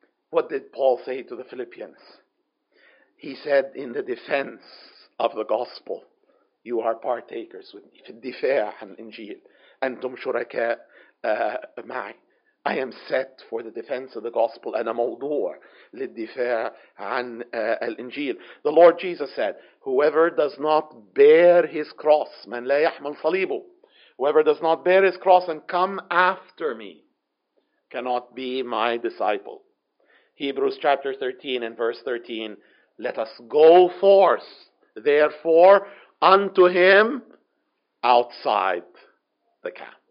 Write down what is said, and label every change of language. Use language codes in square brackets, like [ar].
[en] What did Paul say to the Philippians? He said, in the defense of the gospel, you are partakers with me [ar] في الدفاع عن الإنجيل. أنتم شركاء معي. [en] I am set for the defense of the gospel. [ar] أنا موضوع للدفاع عن الإنجيل. [en] The Lord Jesus said, whoever does not bear his cross, [ar] من لا يحمل صليبه, [en] whoever does not bear his cross and come after me cannot be my disciple. Hebrews chapter 13 and verse 13, let us go forth therefore unto him outside the camp.